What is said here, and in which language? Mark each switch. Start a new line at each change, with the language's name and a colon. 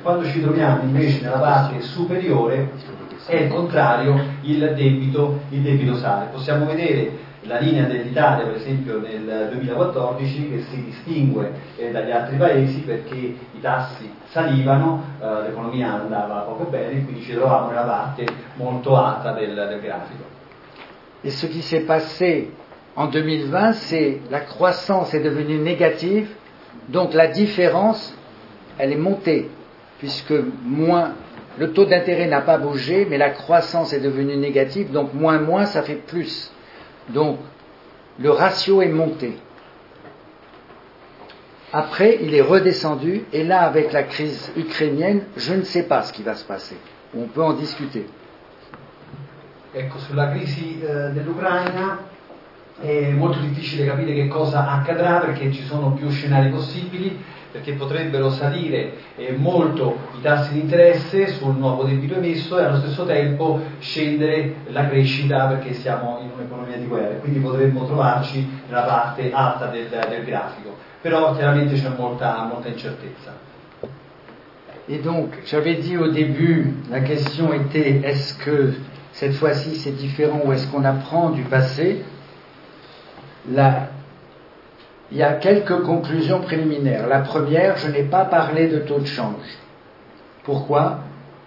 Italian: Quando ci troviamo invece nella parte superiore, è il contrario, il debito sale. Possiamo vedere la linea dell'Italia, per esempio, nel 2014, che si distingue dagli altri paesi perché i tassi salivano, l'economia andava poco bene, quindi ci trovavamo nella parte molto alta del grafico.
French: E ce qui s'est passé en 2020, c'est la croissance est devenue négative, donc la différence, elle est montée, puisque moins. Le taux d'intérêt n'a pas bougé, mais la croissance est devenue négative, donc moins, ça fait plus. Donc, le ratio est monté. Après, il est redescendu, et là, avec la crise ukrainienne, je ne sais pas ce qui va se passer. On peut en discuter.
Italian: Ecco, sulla crisi dell'Ucraina, è molto difficile capire che cosa accadrà, perché ci sono più scenari possibili. Perché potrebbero salire molto i tassi di interesse sul nuovo debito emesso e allo stesso tempo scendere la crescita perché siamo in un'economia di guerra. Quindi potremmo trovarci nella parte alta del grafico. Però chiaramente c'è molta incertezza.
French: E donc, j'avais dit au début, la question était est-ce que cette fois-ci c'est différent ou est-ce qu'on apprend du passé? Il y a quelques conclusions préliminaires. La première, je n'ai pas parlé de taux de change. Pourquoi ?